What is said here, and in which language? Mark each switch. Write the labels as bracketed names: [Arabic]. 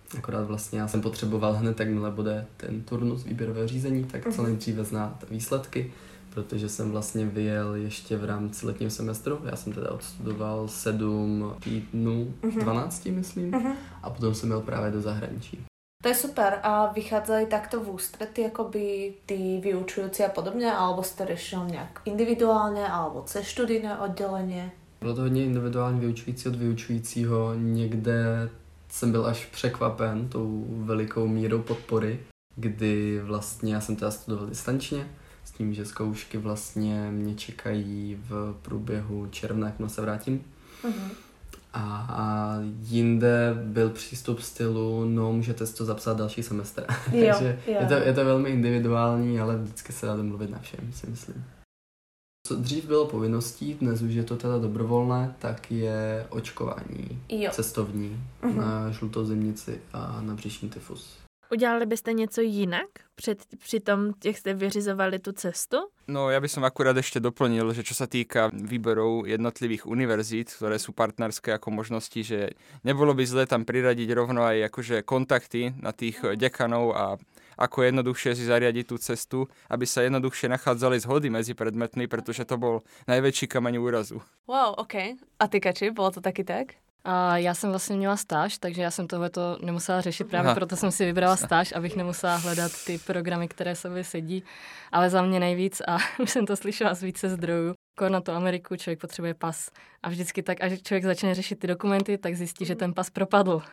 [Czech] Akorát vlastně já jsem potřeboval hned, jakmile bude ten turnus výběrového řízení, tak co nejdříve znát výsledky, protože jsem vlastně vyjel ještě v rámci letního semestru. Já jsem teda odstudoval 7 týdnů, 12 myslím, a potom jsem jel právě do zahraničí. To je super. [Slovak] A vychádzali takto v ústrety, akoby tí vyučujúci a podobne, alebo ste riešili nejak individuálne, alebo cez študijné oddelenie? Bolo to hodne individuálne vyučujúci od vyučujúcího. [Czech] Niekde som byl až překvapen tou velikou mírou podpory, kdy vlastne ja som teda studoval distančne, s tým, že zkoušky vlastne mne čekají v průběhu června, [Slovak] ak sa vrátim. [Czech] A jinde byl přístup stylu, no můžete si to zapsat další semestr. Takže je to velmi individuální, ale vždycky se dá domluvit na všem, si myslím. Co dřív bylo povinností, dnes už je to teda dobrovolné, tak je očkování cestovní na žlutou zimnici a na břišní tyfus. Udělali byste něco jinak při tom, jak jste vyřizovali tu cestu? No, já bych akurát ještě doplnil, že čo se týká výborů jednotlivých univerzit, které jsou partnerské jako možnosti, [Slovak] že nebylo by zlé tam priradit rovno aj jakože kontakty na tých dekanov a ako jednoduchšie si zariadiť tú cestu, aby sa jednoduchšie nachádzali zhody medzi predmetmi, pretože to bol najväčší kameň úrazu. Wow, ok. A ty, Kači, bolo to taky tak? [Czech] A já jsem vlastně měla stáž, takže já jsem tohleto nemusela řešit, právě proto jsem si vybrala stáž, abych nemusela hledat ty programy, které sobě sedí, ale za mě nejvíc a už jsem to slyšela z více zdrojů. Na tu Ameriku člověk potřebuje pas a vždycky tak, až člověk začne řešit ty dokumenty, tak zjistí, že ten pas propadl.